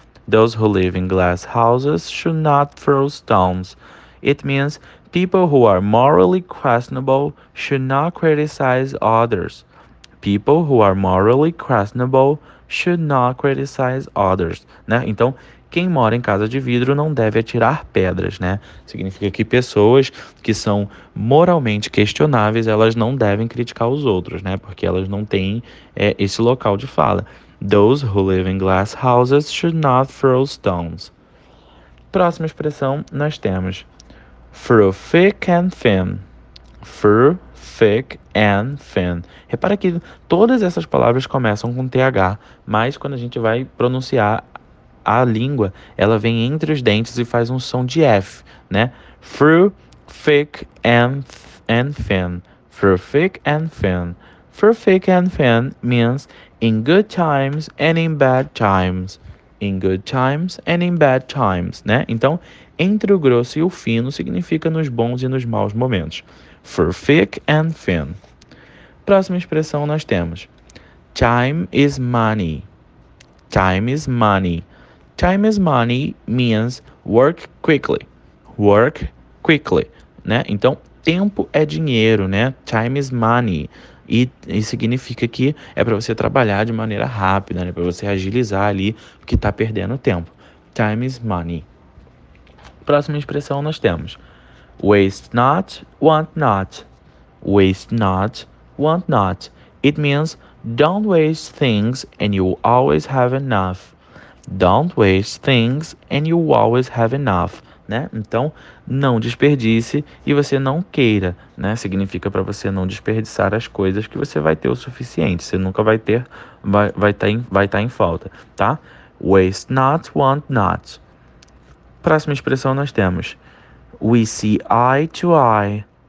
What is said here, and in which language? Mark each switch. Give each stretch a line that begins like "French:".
English: Those who live in glass houses should not throw stones. It means people who are morally questionable should not criticize others. People who are morally questionable should not criticize others, né?
Portuguese: Então, quem mora em casa de vidro não deve atirar pedras, né? Significa que pessoas que são moralmente questionáveis, elas não devem criticar os outros, né? Porque elas não têm, esse local de fala.
English: Those who live in glass houses should not throw stones.
Portuguese: Próxima expressão, nós temos:
English: Through thick and thin. Through thick and thin.
Portuguese: Repara que todas essas palavras começam com TH, mas quando a gente vai pronunciar a língua, ela vem entre os dentes e faz um som de F, né?
English: Through thick and thin. Through thick and thin. Through thick and thin means in good times and in bad times. In good times and in bad times, né?
Portuguese: Então, entre o grosso e o fino significa nos bons e nos maus momentos.
English: For thick and thin.
Portuguese: Próxima expressão nós temos:
English: Time is money. Time is money. Time is money means work quickly. Work quickly,
Portuguese: né? Então, tempo é dinheiro, né?
English: Time is money.
Portuguese: E significa que é para você trabalhar de maneira rápida, né? Para você agilizar ali o que está perdendo tempo.
English: Time is money.
Portuguese: Próxima expressão nós temos:
English: waste not, want not. Waste not, want not. It means don't waste things and you always have enough. Don't waste things and you always have enough. Né?
Portuguese: Então, não desperdice e você não queira, né? Significa para você não desperdiçar as coisas que você vai ter o suficiente. Você nunca vai ter, vai tá em falta, tá?
English: Waste not, want not.
Portuguese: Próxima expressão nós temos:
English: We see eye to eye.